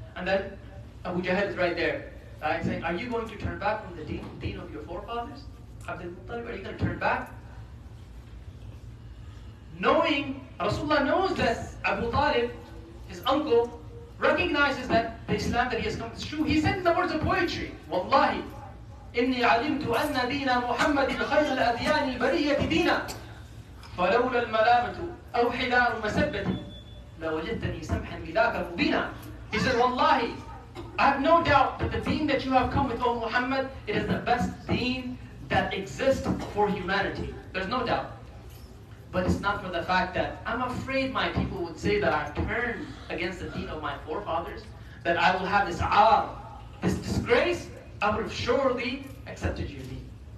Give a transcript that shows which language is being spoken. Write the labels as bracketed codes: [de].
[en] And then Abu Jahl is right there, right, saying, are you going to turn back from the deen of your forefathers? Abd al-Muttalib, are you going to turn back? Knowing, Rasulullah knows that Abu Talib, his uncle, recognizes that the Islam that he has come is true. He said in the words of poetry, Wallahi, [ar] إِنِّي عَلِمْتُ أَنَّ دِينَ مُحَمَّدٍ خَيْرَ الْأَدْيَانِ الْبَرِيَّةِ دِينَ فَلَوْلَا الْمَلَامَةُ أَوْ حِلَارُ مَسَبَّةٍ لَوَجَدْتَنِي سَمْحًا بِلَاكَ مُبِينًا. [en] He said, Wallahi, I have no doubt that the deen that you have come with, O Muhammad, it is the best deen that exists for humanity. There's no doubt. But it's not for the fact that I'm afraid my people would say that I turned against the deen of my forefathers, that I will have this this disgrace, I would have surely accepted your deen.